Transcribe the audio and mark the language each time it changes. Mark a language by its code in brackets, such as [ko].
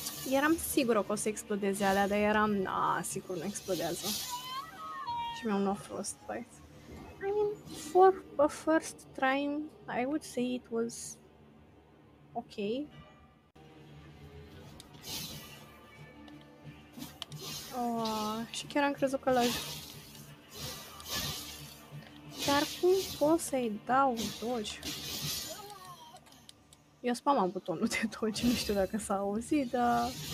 [ro] Eram sigură că o să explodeze alea, dar eram, na, sigur nu explodează. Și mi-am luat frostbite. [en] I mean, for a first try, I would say it was okay. [ro] Oh, și chiar am crezut că l-aș... Dar cum pot să-i dau dodge? Eu spamam butonul de dodge, nu știu dacă s-a auzit, dar...